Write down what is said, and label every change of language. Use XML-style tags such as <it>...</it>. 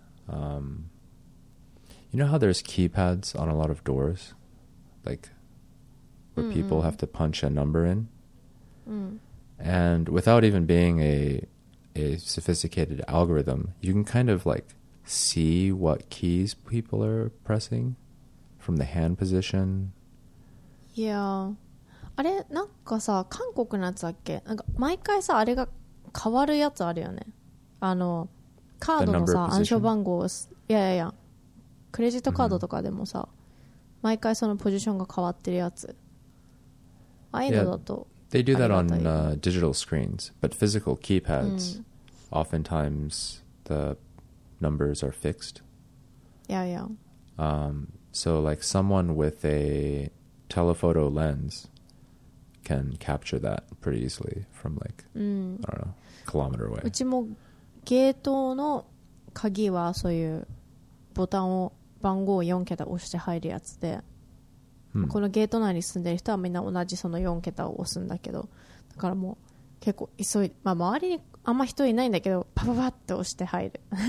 <en>You know how there's keypads on a lot of doors, like where people have to punch a number in? And without even being a sophisticated algorithm, you can kind of like see what keys people are pressing from the hand position. Yeah.</en> <ja>あれなんかさ、韓国のやつだっけ？なんか毎回さ、あれが変わるやつあるよね。あのカードのさ暗証番号、いやいやいや、クレジットカードとかでもさ、うん、毎回そのポジションが変わってるやつ。ああいうのだと、</ja> <en>They do that on digital screens, but physical keypads,、うん、oftentimes the numbers are fixed. Yeah, yeah. So like someone with a telephoto lens can capture that pretty easily from like,、うん、 I don't know, kilometer away.</en> <ja>うちもゲートの鍵はそういうボタンを番号を4桁押して入るやつで、このゲート内に住んでる人はみんな同じその4桁を押すんだけど、だからもう結構急い、まあ、周りにあんま人いないんだけど、パパパッと押して入る。</ja>